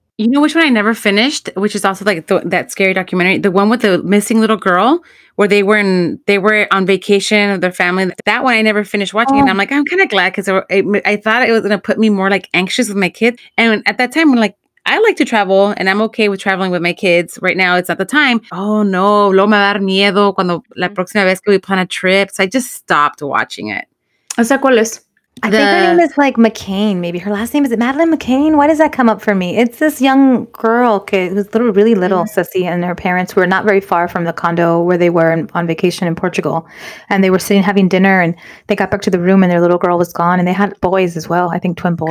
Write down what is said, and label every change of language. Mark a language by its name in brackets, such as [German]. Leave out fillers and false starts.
[English] You know which one I never finished, which is also like that scary documentary, the one with the missing little girl where they were on vacation with their family. That one I never finished watching. Oh. And I'm like, I'm kind of glad because I thought it was going to put me more like anxious with my kids. And at that time, I'm like, I like to travel and I'm okay with traveling with my kids. Right now, it's not the time. [Spanish] Oh no, lo me va a dar miedo cuando la próxima vez que [English] we plan a trip. So I just stopped watching it. [Spanish] O sea, ¿cuál es? [English] I think her name is like McCain, maybe. Her last name, is it Madeline McCain? Why does that come up for me? It's this young girl, kid, who's little, really little, Ceci, and her parents were not very far from the condo where they were on vacation in Portugal. And they were sitting having dinner and they got back to the room and their little girl was gone. And they had boys as well, I think twin boys.